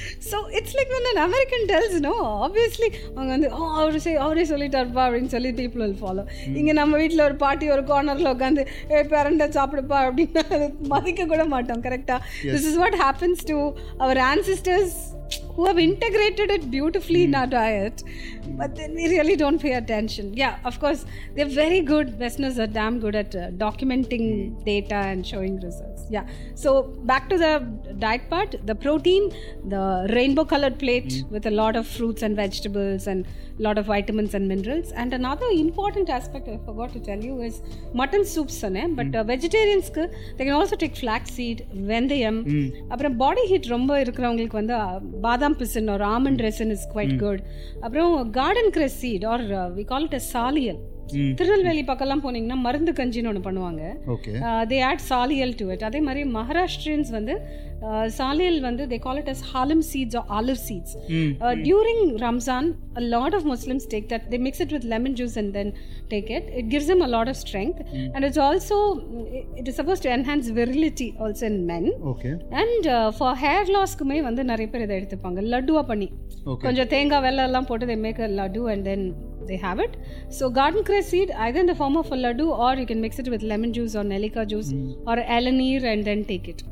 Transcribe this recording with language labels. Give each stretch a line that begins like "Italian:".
English: so it's like when an American tells no, obviously
Tamil: அவங்க வந்து அவரே சொல்லிட்டாருப்பா அப்படின்னு சொல்லி
English: People will follow.
Tamil: இங்கே நம்ம வீட்டில் ஒரு பாட்டி ஒரு கார்னரில் உட்காந்து ஏ பெரண்டா சாப்பிடுப்பா அப்படின்னா அது மதிக்க கூட மாட்டோம்.
English: கரெக்டா, this is what happens to our ancestors who have integrated it beautifully in our diet, but then we really don't pay attention. Yeah, of course, they're very good. Westerners are damn good at documenting data and showing results. Yeah, so back to the diet part, the protein, the rainbow colored plate with a lot of fruits and vegetables and a lot of vitamins and minerals. And another important aspect I forgot to tell you is mutton soups, but vegetarians, they can also take flaxseed, vendayam.
Tamil: அப்புறம் body heat ரொம்ப இருக்கிறவங்களுக்கு வந்து பாதாம் பிசன் ஒரு almond resin
English: Is quite good.
Tamil: அப்புறம் garden கிரஸ் seat
English: Or we call it a சாலியல்.
Tamil: Tirunelveli பக்கம்லாம் போனீங்கன்னா மருந்து கஞ்சின்னு ஒன்று பண்ணுவாங்க,
English: They add சாலியல் to it.
Tamil: அதே மாதிரி
English: Maharashtrians வந்து சாலியல் வந்து they call it as halim seeds or olive seeds. During Ramzan a lot of Muslims take that, they mix it with lemon juice and then take it. It gives em a lot of strength and it's also it is suppose to enhance virility also in men. Okay,
Tamil: and for hair லாஸ்க்குமே வந்து நிறைய பேர் இதை எடுத்துப்பாங்க, லட்டுவா பண்ணி கொஞ்சம் தேங்காய் வெள்ளை எல்லாம் போட்டு
English: They make a laddu and then they have it. So garden cress seed either in the form of a laddu or you can mix it with lemon juice or nellika juice or elaneer and then take it.